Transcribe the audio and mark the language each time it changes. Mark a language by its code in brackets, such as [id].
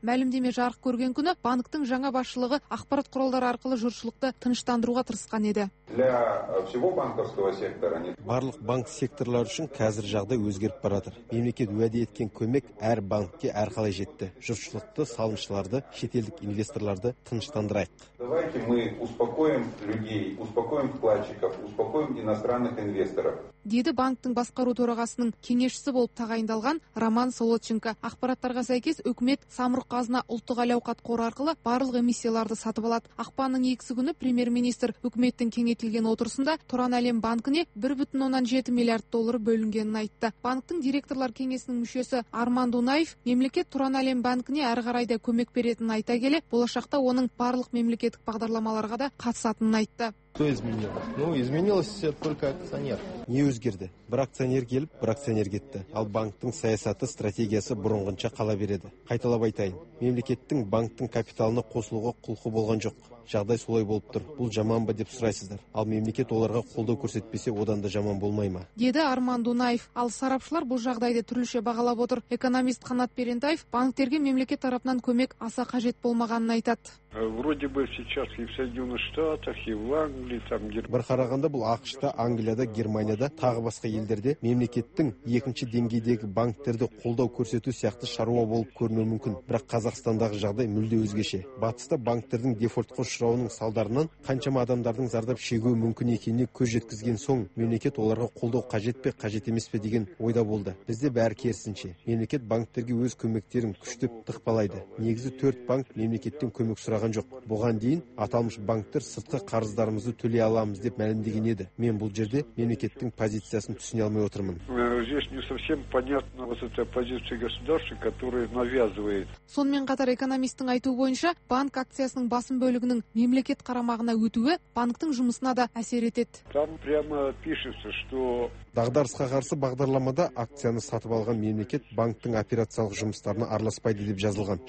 [kk] Мәлімдеме жарық көрген күні банктың жаңа басшылығы ақпарат құралдары арқылы жұртшылықты тыныштандыруға тырысқан еді. Барлық банк секторлары үшін қазір жағдай өзгеріп барады. Мемлекет уәде еткен көмек әр банкке әрқалай жетті. Жұртшылықты, салымшыларды, шетелдік инвесторларды тыныштандырайық. [ru] Давайте мы успокоим людей, успокоим вкладчиков, успокоим иностранных инвесторов. [kk] Деді банктың басқару төрағасының кеңесшісі болып тағайындалған Роман Солодченко. Ақпараттарға сәйкес, үкімет Самұрық-Қазына ұлттық әл-ауқат қоры арқылы барлық эмиссияларды сатып алады. Ақпанның 2-сі күні премьер-министр үкіметтің кеңейтілген отырысында Тұран Әлем банкіне 1,7 миллиард доллар бөлінгенін айтты. Банктың директорлар кеңесінің мүшесі Арман Дунаев мемлекет Тұран Әлем банкіне әрі қарай да көмек беретінін айта келе, болашақта оның барлық мемлекеттік бағдарламаларға да қатысатынын айтты. [ru] Кто изменил? Ну, изменилось только акционер. [kk] Не өзгерді. Бір акционер келіп, бір акционер кетті. Ал банктың саясаты, стратегиясы бұрынғынша қала береді. Қайталап айтайын. Мемлекеттің банктың капиталына қосылуға құлқы болған жоқ. Жағдай солай болып тұр. Бұл жаман ба деп сұрайсыздар. Ал мемлекет оларға қолдау көрсетпесе, одан да жаман болмай ма? Деді Арман Дунаев. Ал сарапшылар бұл жағдайды түрліше бағалап отыр. Экономист Қанат Берентаев банктерге мемлекет тарапынан көмек аса қажет болмағанын айтады. [ru] Вроде бы сейчас и в Соединенных Штатах, и в Англии там. [kk] Бір қарағанда бұл ақшыта, Англияда, Германияда, тағы басқа елдерде мемлекеттің екінші деңгейдегі банктерді қолдау көрсету сияқты шаруа болып көрінуі мүмкін. Бірақ Қазақстандағы жағдай мүлде өзгеше. Батыста банктердің дефолтқа ұшырауының салдарынан қаншама адамдардың зардап шегуі мүмкін екеніне көз жеткізген соң мемлекет оларға қолдау қажет пе, қажет емес пе деген ойда болды. Бізде бәрі керісінше. Мемлекет банктерге өз көмектерін күштеп тықпалайды. Негізі 4 банк мемлекеттен көмек сұраған жоқ. Бұған дейін аталмыш банктер сыртқы қарыздарымызды төлей аламыз деп мәлімдеген еді. Мен бұл жерде мемлекеттің позициясын түсіне алмай отырмын. [ru] Здесь не совсем понятно вот эта позиция государства, которая навязывает. [kk] Сонымен қатар экономистің айтуы бойынша, банк акциясының басым бөлігінің мемлекет қарамағына өтуі банктің жұмысына да әсер етеді. [ru] Там прямо пишется, что [kk] дағдарысқа қарсы бағдарламада акцияны сатып алған мемлекет банктің операциялық жұмыстарына араласпайды деп жазылған.